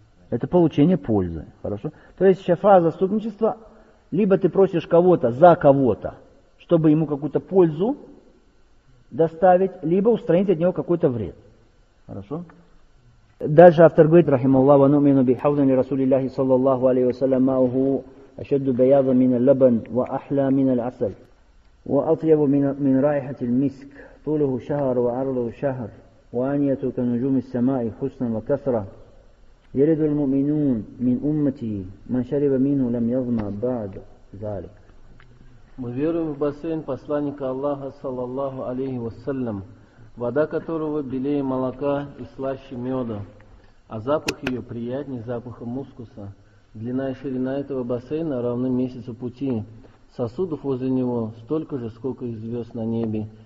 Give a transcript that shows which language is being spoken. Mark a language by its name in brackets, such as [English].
[Russian] Это получение пользы. Хорошо? То есть шафа'а заступничество, либо ты просишь кого-то за кого-то, чтобы ему какую-то пользу доставить, либо устранить от него какой-то вред. Хорошо? Дальше автор говорит, [Arabic] рахималлаху, ванумину бихавдани расулиллахи саллаллаху алейхи вассаляма агу ашадду баяза минал лабан ва ахла минал асаль ва атьяву мин райхатиль миск. طوله شهر وعرضه شهر وانيته كنجوم السماء حسنا وكثرة يرد المؤمنون من أمتي من شرب منه لم يظما بعد ذلك. [Russian] Мы верим в бассейн посланника Аллаха [Arabic] саллаллаху алейхи вассалям, [Russian] вода которого белее молока и слаще меда, а запах ее приятнее запаха мускуса. Длина и ширина этого бассейна равны месяцу пути. Сосудов возле него столько же, сколько и звезд на небе.